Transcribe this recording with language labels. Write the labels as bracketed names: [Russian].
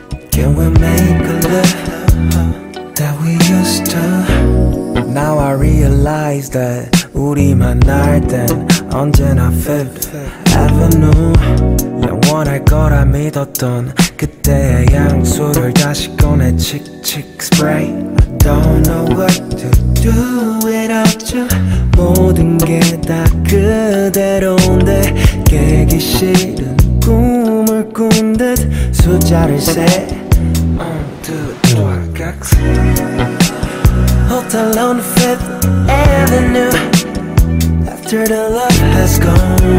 [English] Can we make a love that we used to? Now I realize that [Korean] 우리 만날 땐 언제나 [English] Fifth Avenue. [Korean] 영원할 거라 믿었던 그때의 향수를 다시 꺼내 칙칙 spray. [English] I don't know what to do without you. [Korean] 모든 게 다 그대로인데 깨기 싫은 꿈을 꾼 듯 숫자를 세. [English] 1, 2, 3, 4. Hotel on Fifth Avenue after the love has gone.